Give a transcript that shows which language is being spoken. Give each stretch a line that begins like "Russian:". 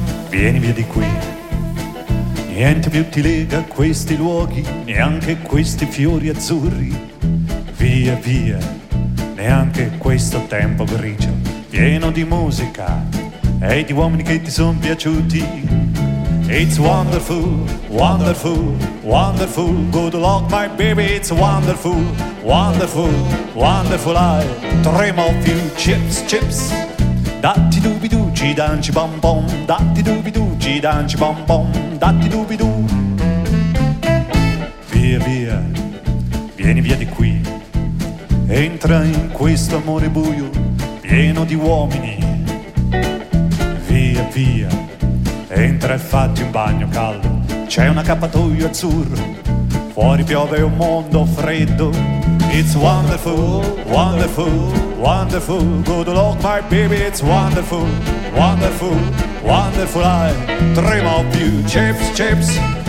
Italian: Vieni via di qui, niente più ti lega a questi luoghi, neanche questi fiori azzurri. Via via, neanche questo tempo grigio, pieno di musica e di uomini che ti son piaciuti.
English: It's wonderful, wonderful, wonderful, good luck my baby, it's wonderful, wonderful, wonderful I dream of you, chips, chips. Datti dubi du, ci danci bom bom, datti dubi du, ci danci bom bom, datti dubi du.
Italian: Via via, vieni via di qui, entra in questo amore buio, pieno di uomini. Via via, entra e fatti un bagno caldo, c'è un accappatoio azzurro, fuori piove un mondo freddo.
English: It's wonderful, wonderful, wonderful, good luck my baby, it's wonderful, wonderful, wonderful, I dream of you, chips, chips.